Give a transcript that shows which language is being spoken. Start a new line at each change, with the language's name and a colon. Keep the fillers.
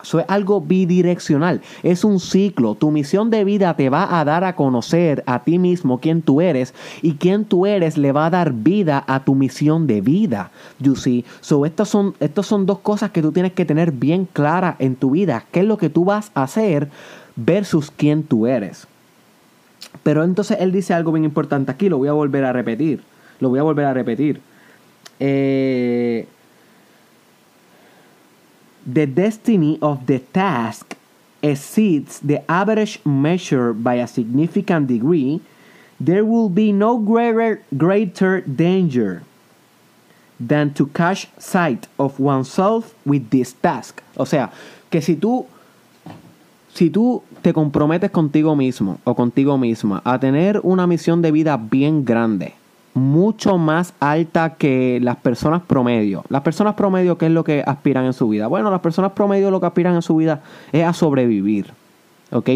Spanish: Eso es algo bidireccional, es un ciclo. Tu misión de vida te va a dar a conocer a ti mismo quién tú eres y quién tú eres le va a dar vida a tu misión de vida. You see? So, estos son, estos son dos cosas que tú tienes que tener bien claras en tu vida. ¿Qué es lo que tú vas a hacer versus quién tú eres? Pero entonces él dice algo bien importante aquí, lo voy a volver a repetir. Lo voy a volver a repetir.
English: Eh, the destiny of the task exceeds the average measure by a significant degree. There will be no greater, greater danger than to catch sight of oneself with this task.
Spanish: O sea, que si tú si tú te comprometes contigo mismo o contigo misma a tener una misión de vida bien grande, mucho más alta que las personas promedio. Las personas promedio, ¿qué es lo que aspiran en su vida? Bueno, las personas promedio lo que aspiran en su vida es a sobrevivir, ¿ok?